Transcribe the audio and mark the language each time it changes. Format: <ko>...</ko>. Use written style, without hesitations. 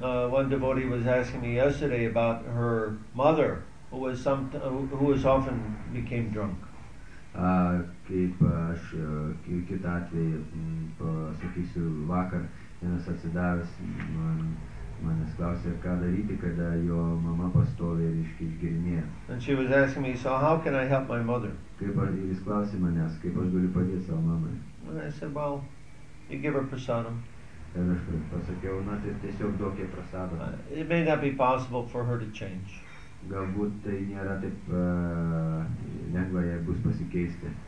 <en>One devotee was asking me yesterday about her mother, who often became drunk.</en> <lt>Kaip aš kitą atvejį pasakysiu vakar, vienas atsidavęs manęs klausė, ką daryti, kada jo mama pastovė išgėrinėjo.</lt> <en>And she was asking me, so how can I help my mother?</en> <lt>Jis klausė manęs, kaip aš galiu padėti savo mamai.</lt> <en>And I said, well, you give her prasadam.</en> <lt>Ir aš pasakiau, na, tai tiesiog duokė prasadą.</lt> <en>It may not be possible for her to change.</en> <lt>Galbūt tai nėra taip lengva, jei bus pasikeisti.</lt>